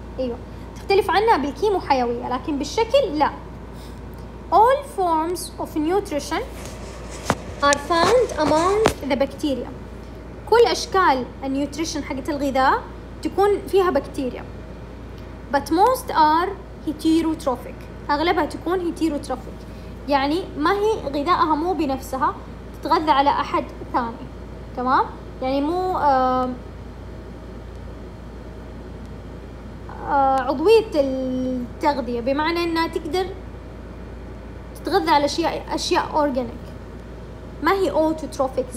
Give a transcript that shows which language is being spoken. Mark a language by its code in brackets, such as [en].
[ar] أيوة تختلف عنها بالكيمو حيوية، لكن بالشكل لا. [en] All forms of nutrition are found among the bacteria. [ar] كل أشكال النيوتريشن حقت الغذاء تكون فيها بكتيريا. [en] But most are heterotrophic. [ar] أغلبها تكون heterotrophic، يعني ما هي غذائها مو بنفسها، تتغذى على أحد ثاني، تمام؟ يعني مو عضوية التغذية، بمعنى إنها تقدر تتغذى على أشياء أورجانيك، ما هي autotrophic.